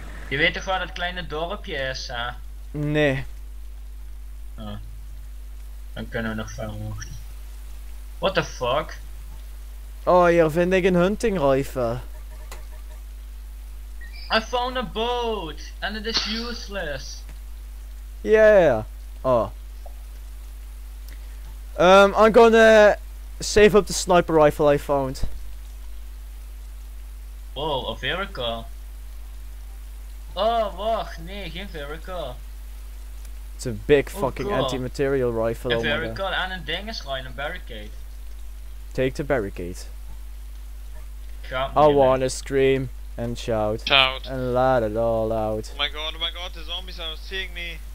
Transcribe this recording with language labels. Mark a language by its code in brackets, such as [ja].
[nl] You weet toch waar dat kleine dorpje is, hè? Nee. Oh. Dan kunnen we nog verder wachten. [en] What the fuck? [nl] Oh, hier vind ik een hunting rifle. [en] I found a boat, and it is useless. Yeah. Oh. I'm gonna save up the sniper rifle I found. Whoa, a vehicle. [nl] Oh, wacht, nee, geen vehicle. [en] It's a big fucking anti-material rifle. A vehicle and a ding is going, a barricade. Take the barricade. Got me, I wanna scream and shout. Shout. And let it all out. Oh my god, the zombies are seeing me.